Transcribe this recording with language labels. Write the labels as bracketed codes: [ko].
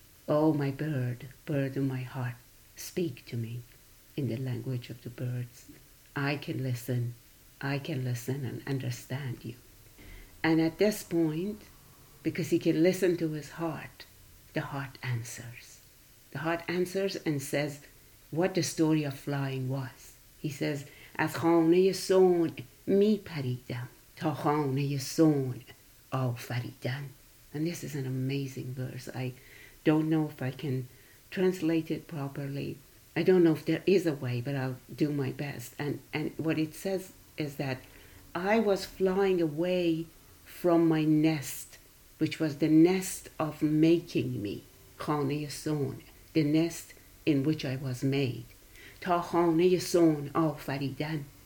[en] Oh, my bird, bird of my heart, speak to me in the language of the birds. I can listen and understand you. And at this point, because he can listen to his heart, the heart answers. The heart answers and says what the story of flying was. He says, [fa] از خانه صنع می پریدم تا خانه صنع آفریدن. [en] And this is an amazing verse. I don't know if I can translate it properly. I don't know if there is a way, but I'll do my best. And what it says is that I was flying away from my nest, which was the nest of making me, [fa] خانه صنع, [en] the nest in which I was made, [fa] تا خانه صنع آفریدن.